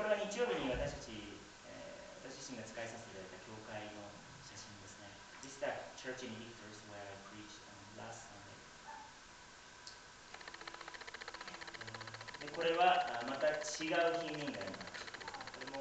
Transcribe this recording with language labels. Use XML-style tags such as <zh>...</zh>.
<ja>日曜日に私たち、私自身が使いさせていただいた教会の写真ですね。</ja> <en>This is the church in Victor's where I preached on last Sunday.</en> <ja>でこれはまた違う日にになります。</ja>